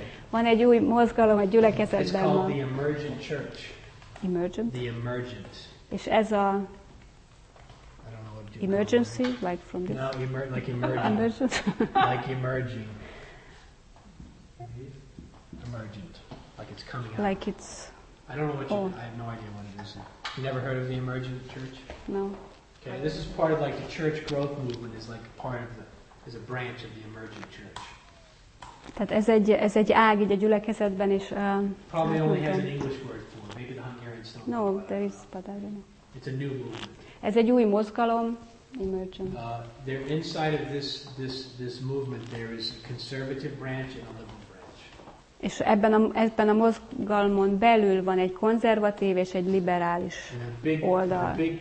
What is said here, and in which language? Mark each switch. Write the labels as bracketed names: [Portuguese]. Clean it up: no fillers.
[Hungarian] Van egy új mozgalom a gyülekezetben. [English] It's called the emergent church. Emergent? The emergent. [Hungarian] És ez a [English] emergency, like from this? No, like emergent. Like emerging. Emergent. Like it's coming out. Like it's... I don't know what I have no idea what it is. You never heard of the emergent church? No. Okay, this is part of like the church growth movement is like part of the, is a branch of the emergent church. [Hungarian] Tehát ez egy ág így a gyülekezetben is. [English] Probably only has an English word for it. Maybe the Hungarians don't know. No, there is, but I don't know. It's a new movement. [Hungarian] Ez egy új mozgalom, emergent. [English] There inside of this movement there is a conservative branch and a liberal branch. [Hungarian] És ebben a mozgalmon belül van egy konzervatív és egy liberális oldal.